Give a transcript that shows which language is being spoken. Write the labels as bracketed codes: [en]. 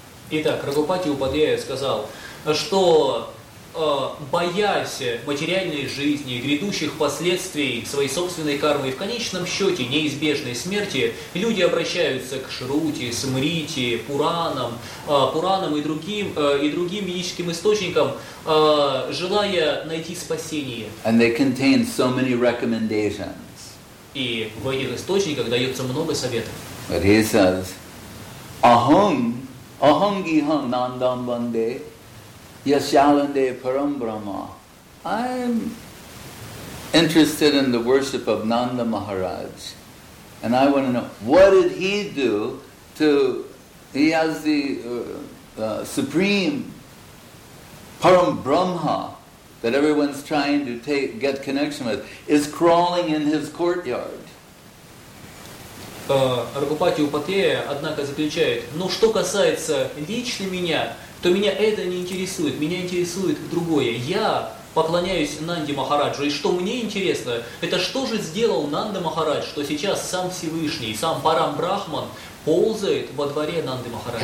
[ru] Итак, Рагхупати Упадхьяя сказал, что боясь материальной жизни и грядущих последствий своей собственной кармы и в конечном счете неизбежной смерти, люди обращаются к Шрути, Смрити, Пуранам и другим ведическим источникам, желая найти спасение. [en] And they contain so many recommendations. [ru] И в этих источниках дается много советов. [en] But he says, [sa] Ahum, Ahum Giham Nandam Bande, Yashalande Param Brahma. [en] I'm interested in the worship of Nanda Maharaj. And I want to know, what did he do to, he has the supreme Param Brahma that everyone's trying to get connection with, is crawling in his courtyard. [ru] Рагхупати Упадхьяя, однако, заключает, но что касается лично меня, то меня это не интересует, меня интересует другое. Я поклоняюсь Нанде Махараджу, и что мне интересно, это что же сделал Нанда Махарадж, что сейчас сам Всевышний, сам Парам Брахман ползает во дворе Нанды Махараджа.